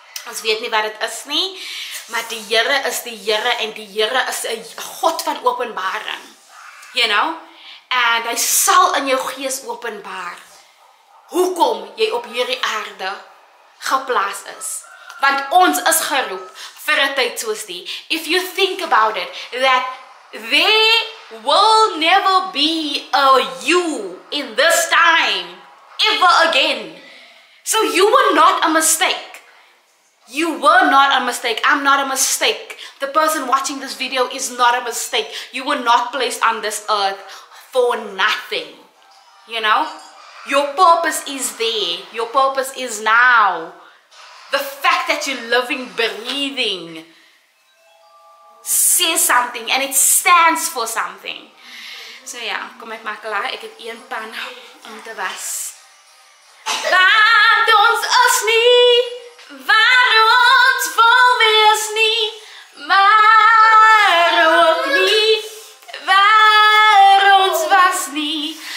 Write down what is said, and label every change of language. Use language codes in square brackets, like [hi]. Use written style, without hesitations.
[af] Ons weet nie wat dit is nie, maar die Here is die Here en die Here is 'n God van openbaring. [en] You know? [af] And hy sal in jou gees openbaar hoekom jy op hierdie aarde geplaas is. Want ons is geroep vir 'n tyd soos die. [en] If you think about it, that there will never be a you in this time, ever again. So you were not a mistake. You were not a mistake. I'm not a mistake. The person watching this video is not a mistake. You were not placed on this earth for nothing. You know? Your purpose is there. Your purpose is now. The fact that you're living, breathing, says something and it stands for something. So yeah, [af] kom ek maak klaar. Ek het een pan om te was. Waar ons is nie, waar ons vol mee is nie, maar ook nie, waar ons was nie.